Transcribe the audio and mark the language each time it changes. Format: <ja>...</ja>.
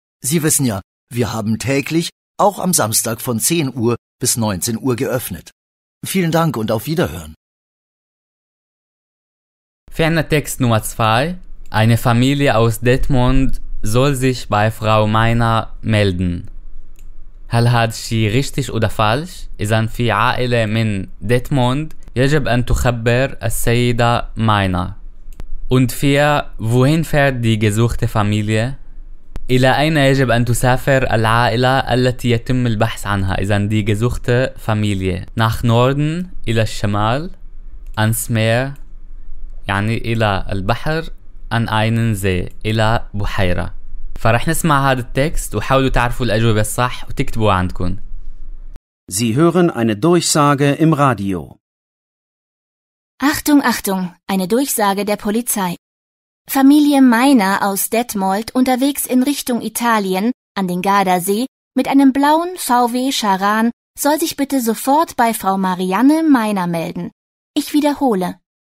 <de>Sie wissen ja, wir haben täglich, auch am Samstag von 10 Uhr bis 19 Uhr geöffnet. Vielen Dank und auf Wiederhören. Für einen Text Nummer 2, eine Familie aus Detmold soll sich bei Frau Meiner melden.</de> <ar>هل هذا الشيء</ar> <de>richtig oder falsch?</de> <ar>إذا في عائلة من ديتموند يجب أن تخبر السيدة ماينا.</ar> <de>Und für wohin fährt die gesuchte Familie?</de> <ar>إلى أين يجب أن تسافر العائلة التي يتم البحث عنها؟ إذا</ar> <de>die gesuchte Familie. Nach Norden,</de> <ar>إلى الشمال,</ar> <de>ans Meer,</de> <ar>يعني إلى البحر,</ar> <de>an einen See,</de> <ar>إلى بحيرة. فرح نسمع هذا التكست وحاولوا تعرفوا الأجوبة الصح وتكتبوا عندكم.</ar> <de>Sie hören eine Durchsage im Radio. Achtung, Achtung, eine Durchsage der Polizei. Familie Meiner aus Detmold unterwegs in Richtung Italien an den Gardasee mit einem blauen VW Charan soll sich bitte sofort bei Frau Marianne Meiner melden. Ich wiederhole.</de>